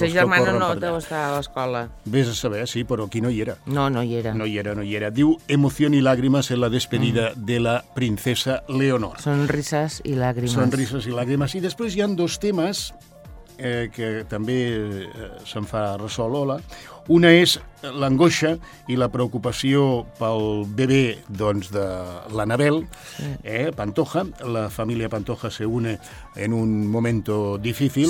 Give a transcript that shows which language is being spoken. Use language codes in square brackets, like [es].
[ca] els que corren per allà. I sa germana no deu estar a l'escola. Ves a saber, sí, però aquí no hi era. No, no hi era. No hi era, no hi era. Diu [es] emoción y lágrimas en la despedida de la princesa Leonor. [ca] Sonrises i làgrimes. Sonrises i làgrimes. I després hi ha dos temes que també se'n fa ressò l'Ola. Una és l'angoixa i la preocupació pel bebè doncs, de l'Anabel, Pantoja. La família Pantoja [es] se une en [ca] un moment difícil.